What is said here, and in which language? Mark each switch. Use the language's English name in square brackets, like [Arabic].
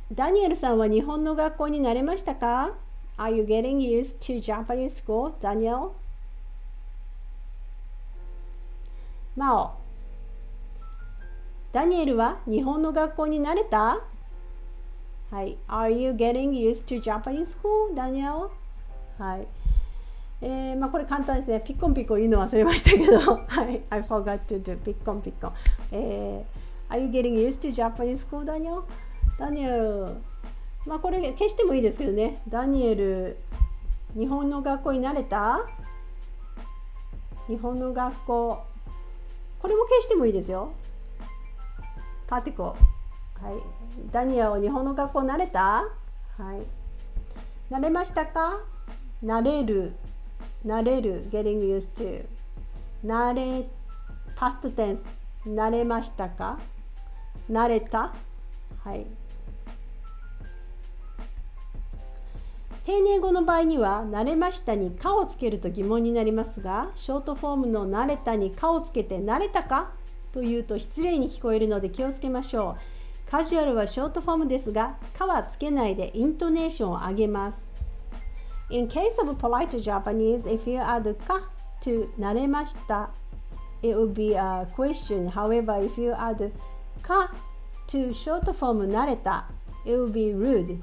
[Japanese] ダニエルさんは日本の学校に慣れましたか？ [English] Are you getting used to Japanese school, Daniel? [Japanese] マオ。ダニエルは日本の学校に慣れた？はい。 [English] Are you getting used to Japanese school, Daniel? [Japanese] はい。まあ、これ簡単ですね。ピッコンピッコン言うの忘れましたけど。 [English] はい。I forgot to do ピッコンピッコン。 Are you getting used to Japanese school, Daniel? [Japanese] ダニエル。まあ、これ消してもいいですけどね。ダニエル、日本の学校に慣れた？日本の学校。これも消してもいいですよ。パーティコ。はい。ダニエル、日本の学校慣れた？はい。慣れましたか？慣れる。 [English] 慣れる、getting used to。慣れ、past tense。 [Japanese] 慣れましたか？慣れた？はい。丁寧語の場合には、慣れましたにかをつけると疑問になりますが、ショートフォームの慣れたにかをつけて慣れたかというと失礼に聞こえるので気をつけましょう。カジュアルはショートフォームですが、かはつけないでイントネーションを上げます。 [English] In case of polite Japanese, if you add ka to 慣れました, it would be a question. However, if you add ka to short form 慣れた, it would be rude.